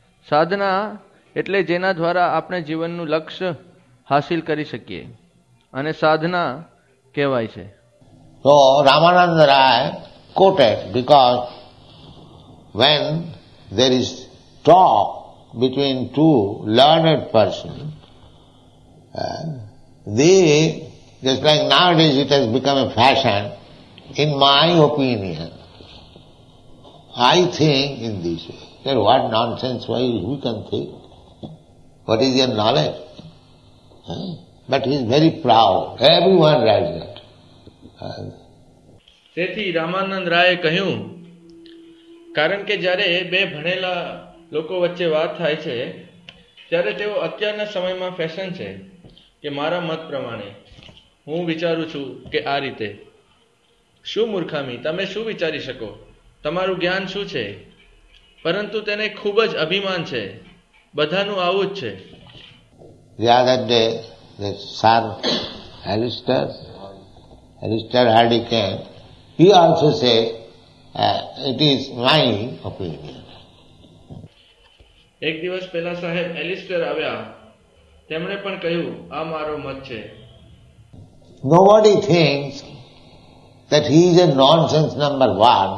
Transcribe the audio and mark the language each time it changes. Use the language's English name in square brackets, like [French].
[Gujarati] સાધના એટલે જેના દ્વારા આપણે જીવનનું લક્ષ્ય હાસિલ કરી શકીએ, અને સાધના કહેવાય છે. [English] તો Ramananda Ray quoted, because when there is talk between two learned persons, they, just like nowadays it has become a fashion, in my opinion, I think in this way. Then what nonsense, why we can think? What is your knowledge? But he is very proud. Everyone writes that. [Gujarati] તેથી રામાનંદ રાયે કહ્યું, કારણ કે જ્યારે બે ભણેલા લોકો વચ્ચે વાત થાય છે ત્યારે તેઓ અત્યારના સમયમાં ફેશન છે, કે મારા મત પ્રમાણે હું વિચારું છું કે આ રીતે. શું મૂર્ખામી, તમે શું વિચારી શકો? તમારું જ્ઞાન શું છે? પરંતુ તેને ખૂબ જ અભિમાન છે, બધાનું આવું જ છે. [English] The other day, the Sir Alistair Hardy came. He also said, it is my opinion. [Gujarati] એક દિવસ પહેલા સાહેબ એલિસ્ટર આવ્યા, તેમણે પણ કહ્યું આ મારો મત છે. [English] Nobody thinks that he is a nonsense number one.